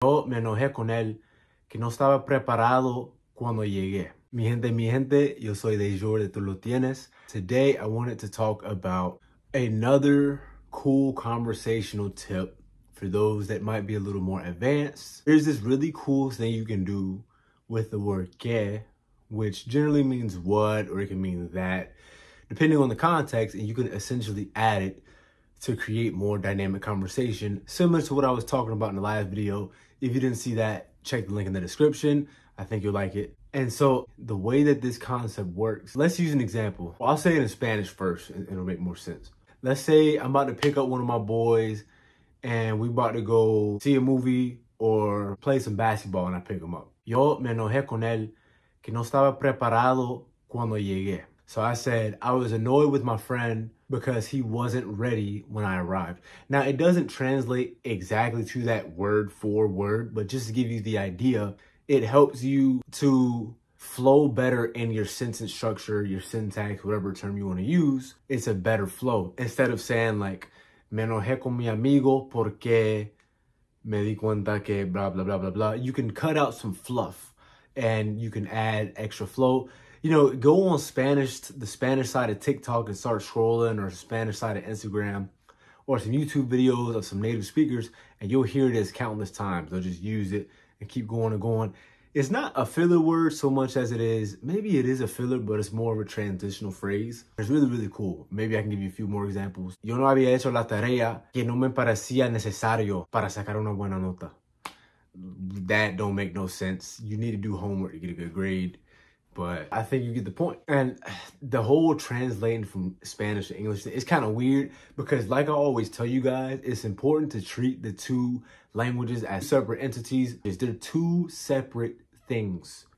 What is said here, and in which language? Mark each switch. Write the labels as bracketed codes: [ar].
[es] Yo me enojé con él que no estaba preparado cuando llegué. Mi gente, yo soy de Jordi, tú lo tienes. [en] Today I wanted to talk about another cool conversational tip for those that might be a little more advanced. There's this really cool thing you can do with the word que, which generally means what, or it can mean that, depending on the context, and you can essentially add it to create more dynamic conversation, similar to what I was talking about in the last video. If you didn't see that, check the link in the description. I think you'll like it. And so the way that this concept works, let's use an example. Well, I'll say it in Spanish first, and it'll make more sense. Let's say I'm about to pick up one of my boys, and we're about to go see a movie or play some basketball, and I pick him up. [es] Yo me enojé con él que no estaba preparado cuando llegué. [en] So I said, I was annoyed with my friend because he wasn't ready when I arrived. Now, it doesn't translate exactly to that word for word, but just to give you the idea, it helps you to flow better in your sentence structure, your syntax, whatever term you want to use. It's a better flow. Instead of saying like, [es] me enojé con mi amigo porque me di cuenta que blah, blah, blah, blah, blah. [en] You can cut out some fluff and you can add extra flow. You know, go on Spanish, the Spanish side of TikTok and start scrolling, or Spanish side of Instagram, or some YouTube videos of some native speakers, and you'll hear this countless times. They'll just use it and keep going and going. It's not a filler word so much as it is, maybe it is a filler, but it's more of a transitional phrase. It's really, really cool. Maybe I can give you a few more examples. [es] Yo no había hecho la tarea que no me parecía necesario para sacar una buena nota. [en] That don't make no sense. You need to do homework to get a good grade. But I think you get the point. And the whole translating from Spanish to English, it's kind of weird because, like I always tell you guys, it's important to treat the two languages as separate entities because they're two separate things.